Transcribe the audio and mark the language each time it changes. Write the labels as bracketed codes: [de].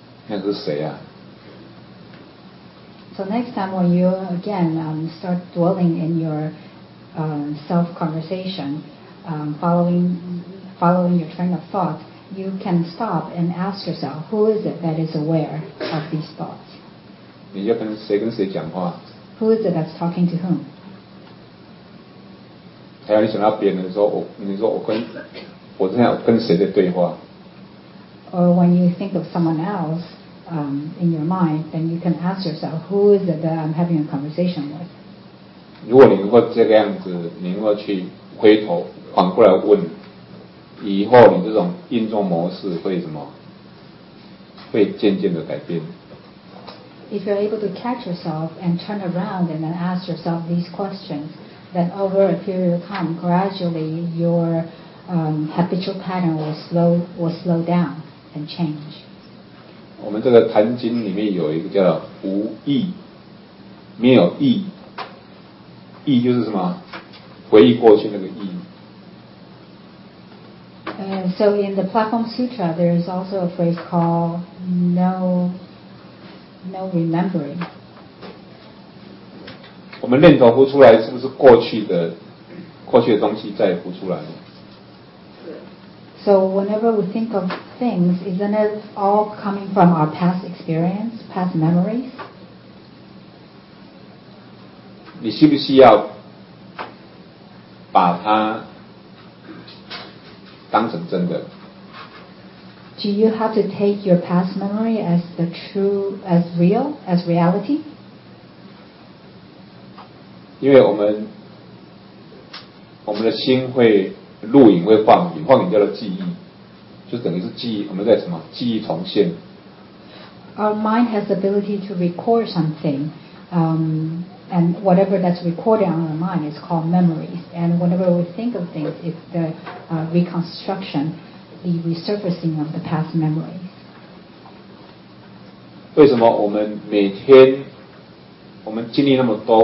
[zh] 那是谁啊？ [en] So next time when you again start dwelling in your self conversation, following your train of thought, you can stop and ask yourself, who is it that is aware of these thoughts? [zh] 你要跟谁跟谁讲话？ [en] Who is it that's talking to whom? [zh] 还有你想到别人的时候，你说我正在跟谁在对话？ [en] Or when you think of someone else, in your mind, then you can ask yourself, who is it that I'm having a conversation with? [zh] 如果你能够这个样子，你能够去回头反过来问，以后你这种应作模式会什么？会渐渐的改变。 [en] If you're able to catch yourself and turn around and then ask yourself these questions, then over a period of time, gradually your habitual pattern will slow down and change. [zh] 我们这个坛经里面有一个叫无意，没有意，意就是什么？回忆过去那个意。 [en] So in the Platform Sutra, there is also a phrase called no remembering. [zh] 我们念头浮出来，是不是过去的东西再浮出来？ [en] So whenever we think of things, isn't it all coming from our past experience, past memories? [zh] 你需不需要把它当成真的？ [en] Do you have to take your past memory as the true, as real, as reality? [zh] 因为我们的心会录影，会放影，放影叫做记忆，就等于是记忆，我们在什么？记忆重现。 [en] Our mind has the ability to record something, and whatever that's recorded on our mind is called memories. And whenever we think of things, it's the reconstruction, the resurfacing of the past memories. [zh] 为什么我们每天我们经历那么多？